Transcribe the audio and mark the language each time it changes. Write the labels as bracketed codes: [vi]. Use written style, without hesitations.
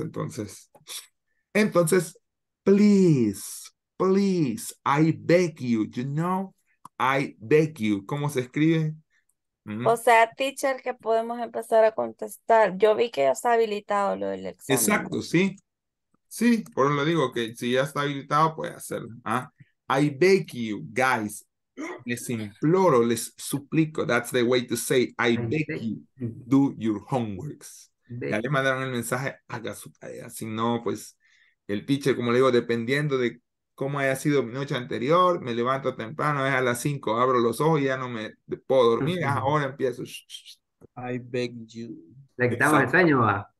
[en] Entonces, please, I beg you know. I beg you. ¿Cómo se escribe? [es] Mm-hmm. O sea, teacher, que podemos empezar a contestar. Yo vi que ya está habilitado lo del examen. Exacto, sí. Sí, por eso le digo que si ya está habilitado, puede hacerlo. [en] I beg you, guys. Les imploro, les suplico. That's the way to say, I beg you, do your homeworks. [es] Ya le mandaron el mensaje, haga su tarea. Si no, pues, el teacher, como le digo, dependiendo de como haya sido mi noche anterior, me levanto temprano, es a las 5, abro los ojos y ya no me puedo dormir. Ahora empiezo. [en] I beg you. [es] ¿Le quitamos el sueño, va?